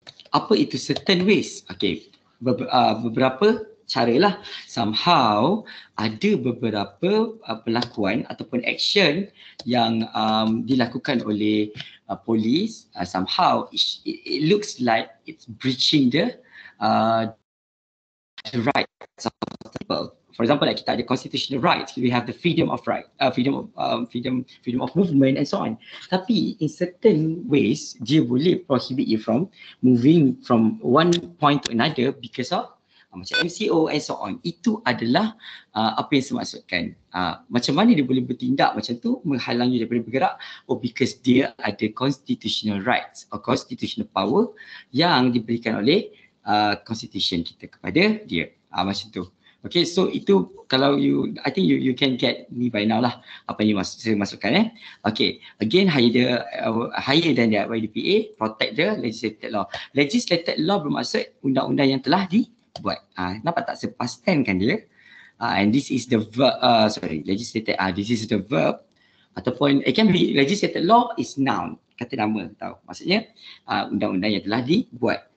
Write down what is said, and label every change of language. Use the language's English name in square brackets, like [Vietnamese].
[Malay] Apa itu certain ways? Okay, beberapa caralah. Somehow ada beberapa perlakuan ataupun action yang dilakukan oleh polis. [English] Somehow it looks like it's breaching the rights of people. For example, like [Malay] kita ada [English] constitutional rights, we have the freedom of right, freedom of movement and so on. Tapi in certain ways, [Malay] dia boleh [English] prohibit you from moving from one point to another because of macam MCO and so on. [Malay] Itu adalah apa yang saya maksudkan. Macam mana dia boleh bertindak macam tu, menghalang you daripada bergerak? [English] Oh, because [Malay] dia ada constitutional rights or constitutional power yang diberikan oleh constitution kita kepada dia. Macam tu. [English] Okay, so [Malay] itu kalau [English] you, I think you can get me by now [Malay] lah apa yang saya masukkan eh. [English] Okay, again higher than the YDPA, protect the legislated law. [Malay] Legislated law bermaksud undang-undang yang telah dibuat. Nampak tak sepas ten kan dia? [English] And this is the verb, legislated, this is the verb ataupun it can be legislated law is noun, [Malay] kata nama tau. Maksudnya undang-undang yang telah dibuat.